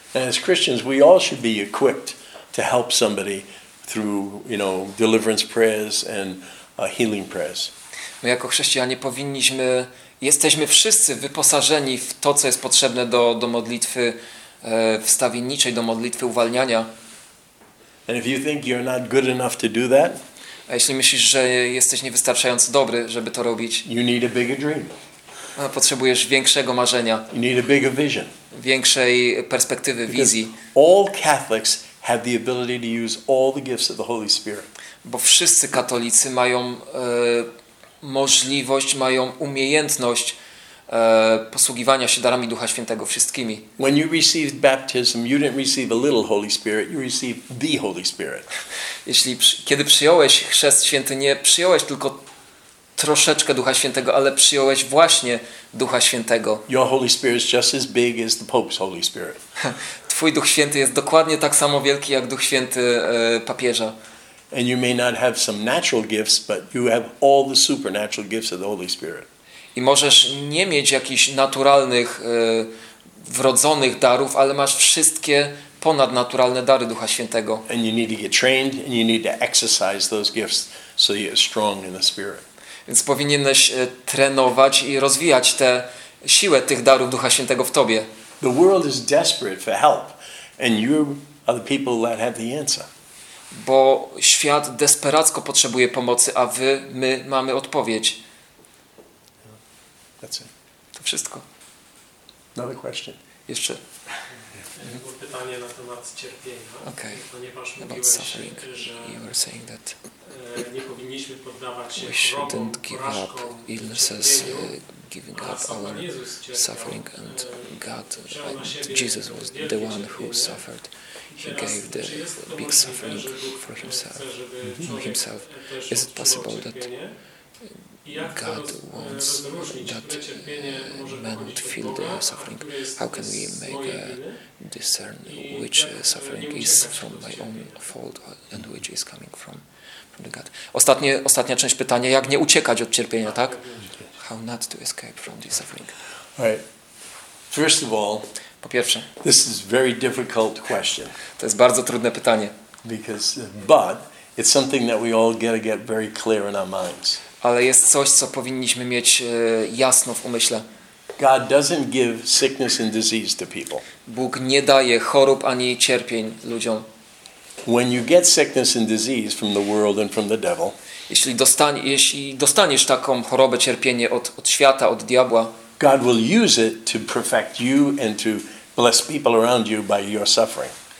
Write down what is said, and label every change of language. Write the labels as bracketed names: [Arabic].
[English] And as Christians, we all should be equipped to help somebody through, you know, deliverance prayers and healing prayers. [Polish] My jako chrześcijanie jesteśmy wszyscy wyposażeni w to, co jest potrzebne do modlitwy wstawienniczej, do modlitwy uwalniania. [English] And if you think you're not good enough to do that, [Polish] a jeśli myślisz, że jesteś niewystarczająco dobry, żeby to robić, [English] you need a bigger dream. [Polish] Potrzebujesz większego marzenia. [English] You need a bigger vision. [Polish] Większej perspektywy, wizji. [English] All Catholics have the ability to use all the gifts of the Holy Spirit. [Polish] Bo wszyscy katolicy mają możliwość, mają umiejętność posługiwania się darami Ducha Świętego wszystkimi. [English] When you received baptism, you didn't receive a little Holy Spirit, you received the Holy Spirit. [Polish] Jeśli kiedy przyjąłeś chrzest święty, nie przyjąłeś tylko troszeczkę Ducha Świętego, ale przyjąłeś właśnie Ducha Świętego. [English] Your Holy Spirit is just as big as the Pope's Holy Spirit. [Polish] Twój Duch Święty jest dokładnie tak samo wielki jak Duch Święty papieża. [English] And you may not have some natural gifts, but you have all the supernatural gifts of the Holy Spirit. [Polish] I możesz nie mieć jakichś naturalnych, wrodzonych darów, ale masz wszystkie ponadnaturalne dary Ducha Świętego. [English] And you need to get trained and you need to exercise those gifts so you're strong in the Spirit. [Polish] Więc powinieneś trenować i rozwijać tę siłę tych darów Ducha Świętego w tobie. [English] The world is desperate for help and you are the people that have the answer. [Polish] Bo świat desperacko potrzebuje pomocy, a my mamy odpowiedź. [English] That's it. [Polish] To wszystko. [English] Another question. [Polish] Jeszcze. Pytanie na temat cierpienia. [English] Okay. [Polish] Ponieważ [English] about [Polish] mówiłeś, [English] suffering. [Polish] Że [English] you were saying that [Polish] nie powinniśmy poddawać się chorobom, porażkom, [English] illnesses, giving up our suffering and God, and Jesus was the one who suffered. He gave the big suffering for himself. Himself. Is it possible that God wants that man would feel the suffering? How can we make a discern which suffering is from my own fault and which is coming from the God? [Polish] Ostatnia część pytania: jak nie uciekać od cierpienia, tak? [English] How not to escape from this suffering? Right. First of all, [Polish] po pierwsze, [English] this is very difficult question. [Polish] To jest bardzo trudne pytanie. [English] Because, but it's something that we all get very clear in our minds. [Polish] ale jest coś, co powinniśmy mieć jasno w umyśle. [English] God doesn't give sickness and disease to people. [Polish] Bóg nie daje chorób ani cierpień ludziom. [English] When you get sickness and disease from the world and from the devil, [Polish] jeśli dostaniesz taką chorobę, cierpienie od świata, od diabła, [English] God will use it to perfect you and to bless people around you by your suffering.